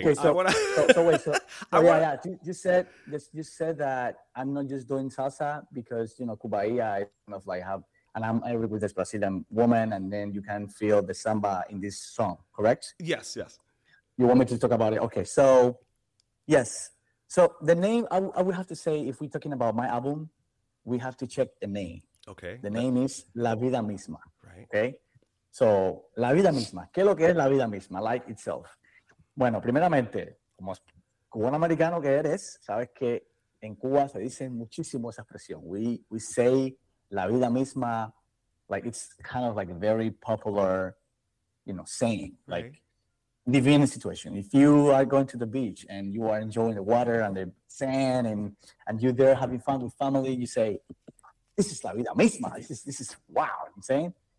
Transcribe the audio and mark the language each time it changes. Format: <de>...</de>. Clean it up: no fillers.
<en>Okay, So, you said that I'm not just doing salsa because, you know, Cubaia, I kind of like have, and I'm married with this Brazilian woman, and then you can feel the samba in this song, correct? Yes. You want me to talk about it? Okay, so, yes. So the name, I would have to say, if we're talking about my album, we have to check the name. Okay. The name is La Vida Misma. Right. Okay. So La Vida Misma.</en> <es>¿Qué es lo que es La Vida Misma?</es> <en>Life itself.</en> <es>Bueno, primeramente, como cubano-americano que eres, sabes que en Cuba se dice muchísimo esa expresión.</es> <en>We say La Vida Misma, like it's kind of like a very popular, you know, saying. Right. Like, divine situation. If you are going to the beach and you are enjoying the water and the sand and you're there having fun with family, you say, this is la vida misma. This is wow. You know what I'm saying?</en>